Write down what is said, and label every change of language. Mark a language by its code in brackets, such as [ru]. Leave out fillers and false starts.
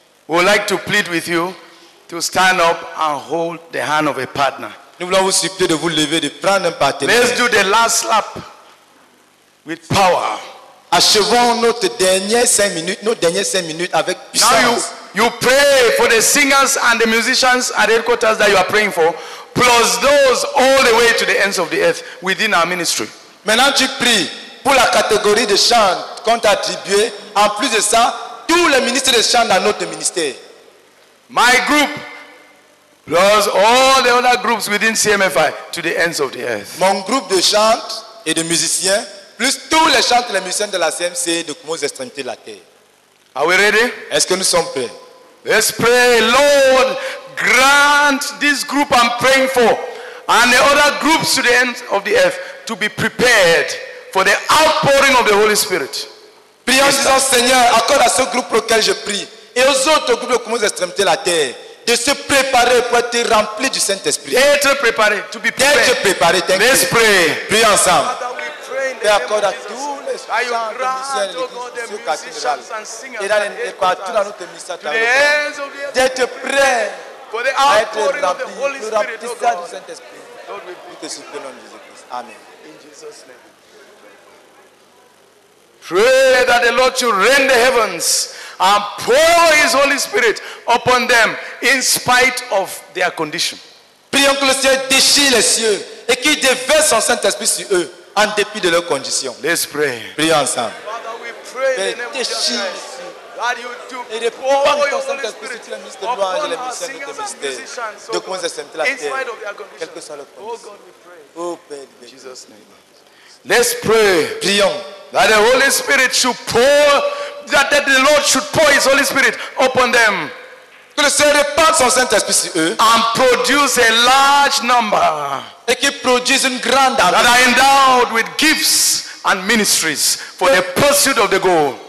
[en] We would like to plead with you to stand up and hold the hand of a partner. [fr] Nous voulons vous supplier de vous lever, de prendre un partenaire. [en] Let's do the last lap with power. [fr] Achevons notre dernière 5 minutes, nos dernières 5 minutes avec puissance. [en] Now you pray for the singers and the musicians at headquarters that you are praying for, plus those all the way to the ends of the earth within our ministry. [fr] Maintenant tu pries pour la catégorie de chant qu'on t'a attribué, en plus de ça, tous les ministres de chant dans notre ministère. [en] My group, plus all the other groups within CMFI to the ends of the earth. [fr] Mon groupe de chant et de musiciens, plus tous les chants et les musiciens de la CMC de Kumo's extrémité de la terre. [en] Are we ready? [fr] Est-ce que nous sommes prêts? [en] Let's pray, Lord, grant this group I'm praying for and the other groups to the ends of the earth to be prepared for the outpouring of the Holy Spirit. [fr] Prions, disons, Seigneur, accorde à ce groupe pour lequel je prie et aux autres groupes de communes extrémités de la terre de se préparer pour être remplis du Saint-Esprit. Être préparé, [en] to be prepared. [fr] Être préparé, [en] let's pray. [fr] Prie ensemble. Père, accorde à tous les chants de l'église, ce cathédral, et dans partout dans notre ministère, d'être prêt pour être rempli, le remplissage du Saint-Esprit. Nous te supplions, Jésus-Christ. Amen. [en] In Jesus' name. Pray that the Lord should rend the heavens and pour his Holy Spirit upon them in spite of their condition. [fr] Prions que le Seigneur déchire les cieux et qu'il déverse son Saint-Esprit sur eux en dépit de leurs conditions. [en] Let's pray. [fr] Prions ensemble. [en] Father, we pray in the name of Jesus. God, you do pour your Holy Spirit upon our singers and musicians in spite of their condition. Oh God, we pray. [fr] Oh Père, [en] in Jesus' name. Let's pray. [fr] Prions. [en] That the Holy Spirit should pour, that the Lord should pour His Holy Spirit upon them. [fr] Que le Seigneur répande son Saint-Esprit sur eux. [en] And produce a large number. [fr] Et qu'il produise une grande armée. [en] That are endowed with gifts and ministries for the pursuit of the goal.